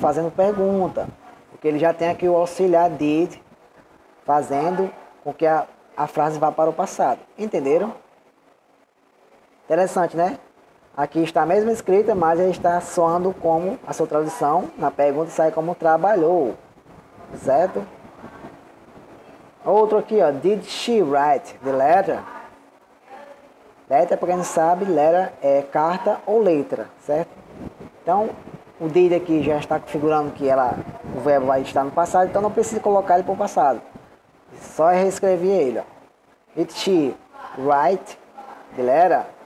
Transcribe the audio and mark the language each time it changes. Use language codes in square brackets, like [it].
[pt] Fazendo pergunta, porque ele já tem aqui o auxiliar did, fazendo com que a frase vá para o passado. Entenderam? Interessante, né? Aqui está a mesma escrita, mas ele está soando como a sua tradução. Na pergunta sai como trabalhou, certo? Outro aqui, ó. [en] Did she write the letter? [pt] Letter, para quem não sabe, letter é carta ou letra, certo? Então, o did aqui já está configurando que ela, o verbo vai estar no passado, então não precisa colocar ele para o passado. Só reescrever ele, ó. [en] Did she write the letter?